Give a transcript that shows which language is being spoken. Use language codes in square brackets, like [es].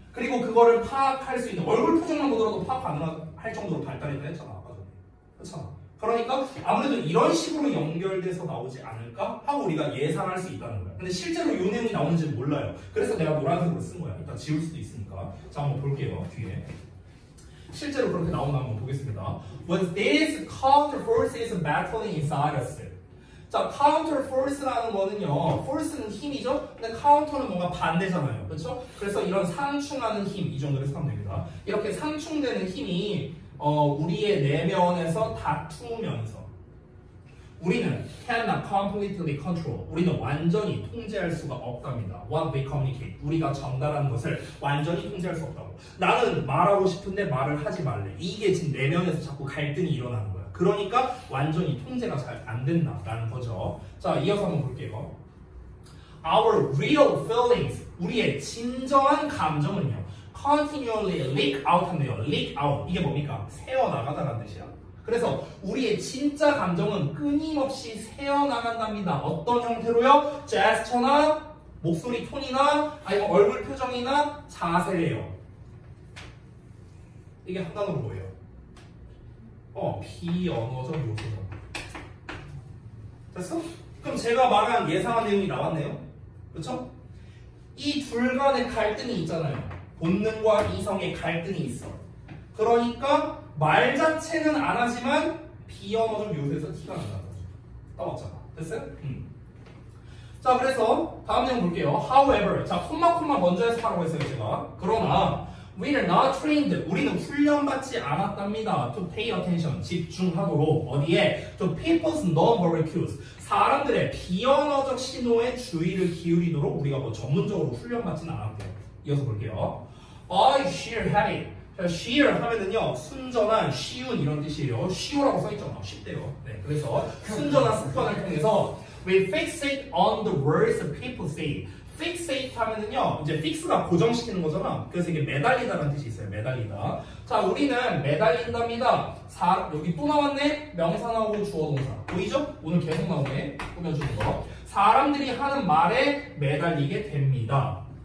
[ko] 그리고 그거를 파악할 수 있는 얼굴 표정만 보더라도 파악 가능할 정도로 발달했다 했잖아. 아까 전에. 그렇죠? 그러니까 아무래도 이런 식으로 연결돼서 나오지 않을까 하고 우리가 예상할 수 있다는 거야. 근데 실제로 이 내용이 나오는지는 몰라요. 그래서 내가 노란색으로 쓴 거야. 일단 지울 수도 있으니까. 자, 한번 볼게요. 뒤에 실제로 그렇게 나온다 한번 보겠습니다. [en] When these counter forces battling inside us. [ko] 자, counter force라는 거는요, force는 힘이죠. 근데 counter는 뭔가 반대잖아요. 그렇죠? 그래서 이런 상충하는 힘, 이 정도로 생각하면 됩니다. 이렇게 상충되는 힘이 우리의 내면에서 다투면서 우리는 [en] cannot completely control. [ko] 우리는 완전히 통제할 수가 없답니다. [en] What we communicate. [ko] 우리가 전달하는 것을 완전히 통제할 수 없다고. 나는 말하고 싶은데 말을 하지 말래. 이게 지금 내면에서 자꾸 갈등이 일어나는 거야. 그러니까 완전히 통제가 잘 안 된다라는 거죠. 자, 이어서 한번 볼게요. [en] Our real feelings. [ko] 우리의 진정한 감정은요. [en] Continually leak out 한대요. Leak out. [ko] 이게 뭡니까? 새어나가다라는 뜻이야. 그래서 우리의 진짜 감정은 끊임없이 새어나간답니다. 어떤 형태로요? 제스처나 목소리 톤이나 아니면 얼굴 표정이나 자세예요. 이게 한단어로 뭐예요? 비언어적 요소죠. 됐어? 그럼 제가 말한 예상한 내용이 나왔네요. 그렇죠? 이 둘 간의 갈등이 있잖아요. 본능과 이성의 갈등이 있어. 그러니까 말 자체는 안 하지만 비언어적 요소에서 티가 난다고. 따왔잖아. 됐어요? 자, 그래서 다음 내용 볼게요. [en] However, [ko] 자, 콤마 먼저 해석하라고 했어요, 제가. 그러나 [en] we are not trained. [ko] 우리는 훈련받지 않았답니다. [en] To pay attention. [ko] 집중하도록. 어디에? [en] To people's non-verbal cues. [ko] 사람들의 비언어적 신호에 주의를 기울이도록 우리가 뭐 전문적으로 훈련받지는 않았대요. 이어서 볼게요. [en] I sheer have it. [ko] Sheer 하면은요, 순전한, 쉬운 이런 뜻이에요. 쉬우라고 써있잖아. 쉽대요. 네, 그래서 순전한 습관을 통해서 [en] we fixate on the words people say. [ko] Fixate 하면은요, 이제 fix가 고정시키는 거잖아. 그래서 이게 매달리다라는 뜻이 있어요. 매달리다. 자, 우리는 매달린답니다. 자, 여기 또 나왔네. 명사 나오고 주어 동사. 보이죠? 오늘 계속 나오네. 꾸며주는 거. 사람들이 하는 말에 매달리게 됩니다.